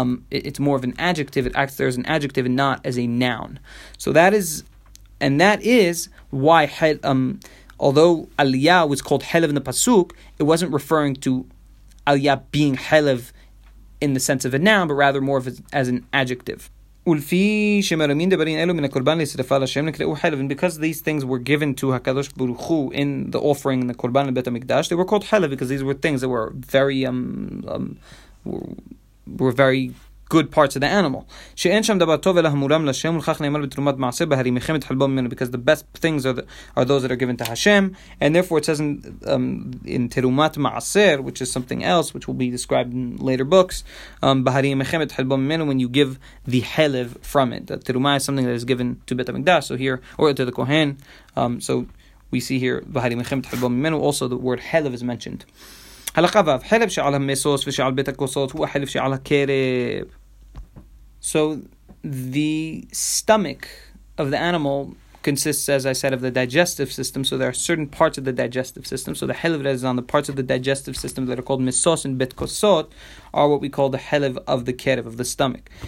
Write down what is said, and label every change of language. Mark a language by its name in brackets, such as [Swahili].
[English] It's more of an adjective. It acts there as an adjective and not as a noun. So that is, and that is why although aliyah was called halev in the pasuk, it wasn't referring to aliyah being halev in the sense of a noun, but rather more of as an adjective. [Hebrew] ולפי שמרמין דברים אלו מן הקורבן לשרפה לשם נקראו חלב. [English] And because these things were given to HaKadosh Baruch Hu in the offering, in the korban lebet HaMikdash, they were called חלב, because these were things that were very were very good parts of the animal. [Hebrew] שאין שם דבר טוב אלא המורם לשם, ולכך נאמר בתרומת מעשה בהרי מחמת חלבו ממנו, [English] because the best things are those that are given to Hashem. And therefore it says in תרומת מעשר, which is something else, which will be described in later books, [Hebrew] בהרי מחמת חלבו ממנו, [English] when you give the חלב from it. The תרומה is something that is given to Bet HaMikdash, so here, or to the Kohen. So we see here, [Hebrew] בהרי מחמת חלבו ממנו, [English] also the word חלב is mentioned. [Hebrew] הלכה ואף, חלב שעל המסוס ושעל בית הכוסות הוא החלב שעל הקרב. [English] So, the stomach of the animal consists, as I said, of the digestive system. So, there are certain parts of the digestive system. So, the חלב that is on the parts of the digestive system that are called מסוס and בית כוסות are what we call the חלב of the קרב, of the stomach.